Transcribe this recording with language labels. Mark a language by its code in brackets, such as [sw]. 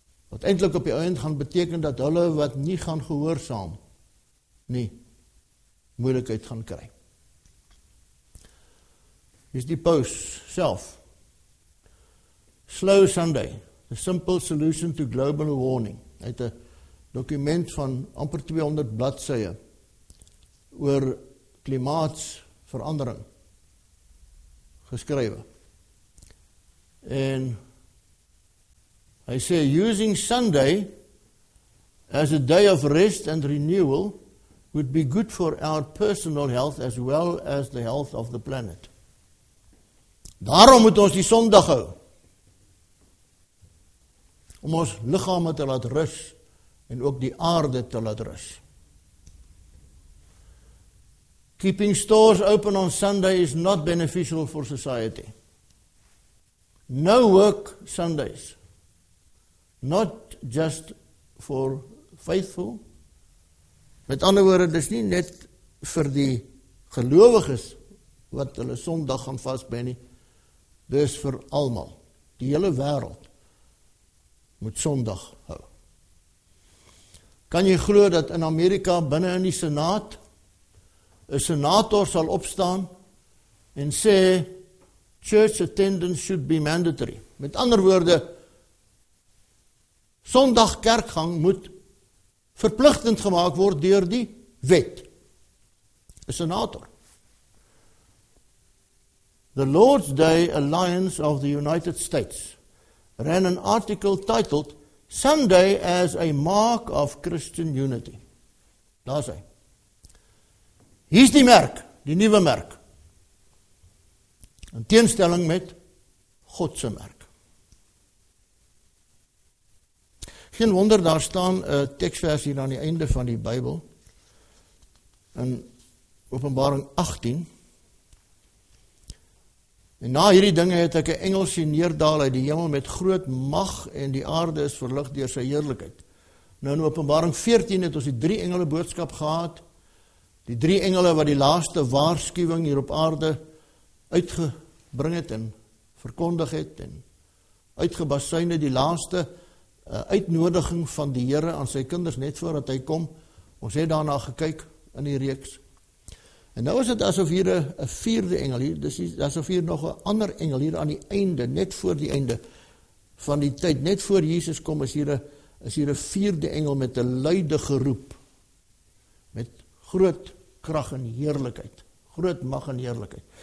[af] Wat eindelijk op die eind gaan beteken, dat hulle wat nie gaan gehoorsaam, nie moeilikheid gaan kry. Is die paus self. [en] Slow Sunday, a simple solution to global warming. [af] Uit 'n dokument van amper 200 bladsye oor klimaatsverandering geskrywe. En hy sê, [en] using Sunday as a day of rest and renewal would be good for our personal health as well as the health of the planet. [af] Daarom moet ons die Sondag hou. Om ons liggame te laat rus en ook die aarde te laat rus. [en] Keeping stores open on Sunday is not beneficial for society. No work Sundays. Not just for faithful. [af] Met ander woorde, dis nie net vir die gelowiges wat hulle Sondag gaan vasben nie. Dis vir almal. Die hele wêreld moet Sondag hou. Kan jy glo dat in Amerika binne in die Senaat 'n senator sal opstaan en sê [en] church attendance should be mandatory. [af] Met ander woorde Sondag kerkgang moet verpligtend gemaak word deur die wet. 'n Senator. [en] The Lord's Day Alliance of the United States ran an article titled Sunday as a Mark of Christian Unity. [af] Daar sê. Hier's die merk, die nuwe merk. In teenstelling met God se merk. Geen wonder daar staan 'n teksvers hier aan die einde van die Bybel in Openbaring 18. En na hierdie dinge het ek 'n engel sien neerdaal uit die hemel met groot mag en die aarde is verlig deur sy heerlikheid. Nou in Openbaring 14 het ons die drie engele boodskap gehad, die drie engele wat die laaste waarskuwing hier op aarde uitgebring het en verkondig het en uitgebasuin het die laaste uitnodiging van die Here aan sy kinders net voordat hy kom. Ons het daarna gekyk in die reeks. En nou is het asof hier een vierde engel hier, dis is asof hier nog een ander engel hier aan die einde, net voor die einde van die tyd, net voor Jesus kom, is hier een vierde engel met een luide geroep, met groot krag en heerlikheid, groot mag en heerlikheid.